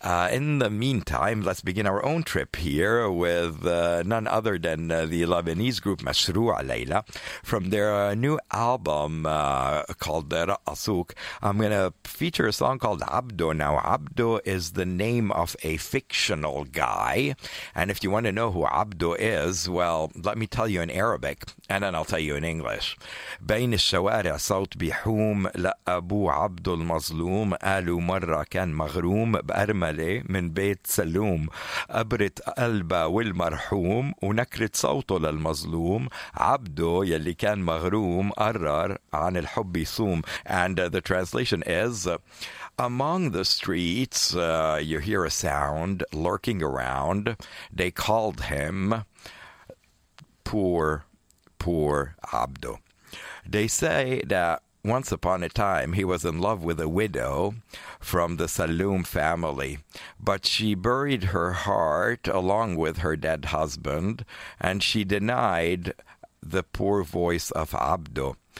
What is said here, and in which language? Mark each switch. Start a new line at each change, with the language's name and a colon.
English: In the meantime, let's begin our own trip here with none other than the Lebanese group Mashrua Leila from their new album called Ra'asuk. I'm going to feature a song called Abdo. Now, Abdo is the name of a fictional guy, and if you want to know who Abdo is, well, let me tell you in Arabic, and then I'll tell you in English.
Arabic: بين الشوارع صوت بيحوم لأبو عبد المظلوم قالوا مرة كان مغروم بأرملة من بيت سلوم قبرت قلبه والمرحوم ونكرت صوته للمظلوم عبده يلي كان مغروم قرر عن الحب يصوم.
English: And the translation is, among the streets you hear a sound lurking around. They called him poor, poor Abdo. They say that once upon a time he was in love with a widow from the Saloum family, but she buried her heart along with her dead husband, and she denied the poor voice of Abdo.